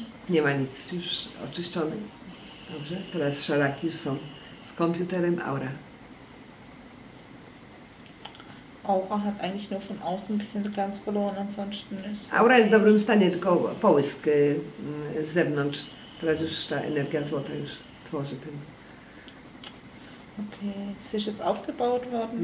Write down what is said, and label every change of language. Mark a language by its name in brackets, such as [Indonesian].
[Polish] Nie ma nic, już oczyszczony. Dobrze, teraz szalaki już są. Z komputerem aura. [German] Aura hat eigentlich nur von außen ein bisschen Glanz verloren, ansonsten ist... [Polish] Aura jest w dobrym stanie, tylko połysk z zewnątrz. Teraz już ta energia złota już tworzy ten. [German] Okay, es ist jetzt aufgebaut worden.